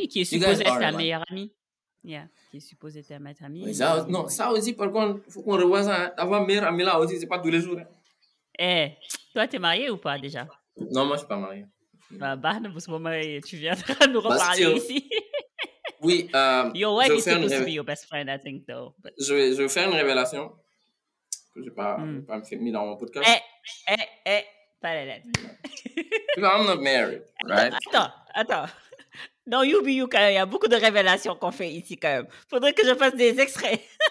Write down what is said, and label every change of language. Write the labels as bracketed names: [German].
[French] Oui, qui est supposée être ta meilleure amie. Yeah, qui est supposé être ma amie. Oui, non, ça aussi, par contre, il faut qu'on revoie ça. Hein. Avoir meilleure amie là aussi, c'est pas tous les jours. Hein. Toi, t'es marié ou pas déjà? Non, moi, je suis pas marié. Bah, pour ce moment, tu viendras nous reparler ici. Oui. [English] Your wife is supposed to be your best friend, I think, though. But... [French] Je vais faire une révélation que je n'ai pas mis dans mon podcast. Pas la lettre. [English] I'm not married, right? [French] Attends. Dans UBU, quand même, il y a beaucoup de révélations qu'on fait ici, quand même. Faudrait que je fasse des extraits.